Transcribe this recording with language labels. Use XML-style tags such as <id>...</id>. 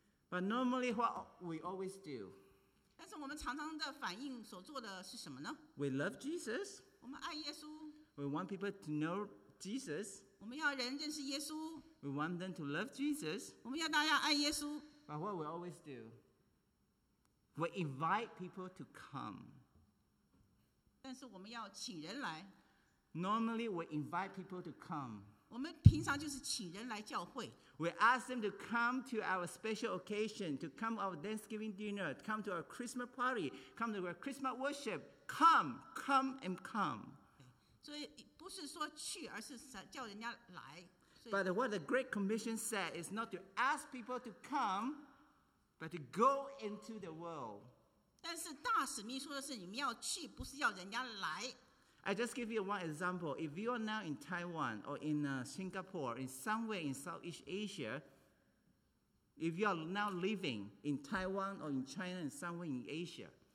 <en>but normally what we always do.</en> <zh>但是我们常常的反应所做的是什么呢?</zh> <en>We love Jesus.</en> <zh>我们爱耶稣,</zh> <en>we want people to know Jesus.</en> <zh>我们要人认识耶稣,</zh> <en>we want them to love Jesus.</en> <zh>我们要大家爱耶稣,</zh> <en>but what we always do. We invite people to come.</en> <zh>但是我们要请人来,</zh> <en>normally we invite people to come.</en> <zh>我们平常就是请人来教会,</zh> <en>we ask them to come to our special occasion, to come to our Thanksgiving dinner, come to our Christmas party, come to our Christmas worship. Come, come and come.</en> <zh>所以不是说去, 而是叫人家来,</zh> <en>but what the Great Commission said is not to ask people to come, but to go into the world.</en> <zh>但是大使命说的是你们要去，不是要人家来。</zh> <en>I just give you one example. If you are now in Taiwan or in Singapore, in somewhere in Southeast Asia, if you are now living in Taiwan or in China and somewhere in Asia,</en>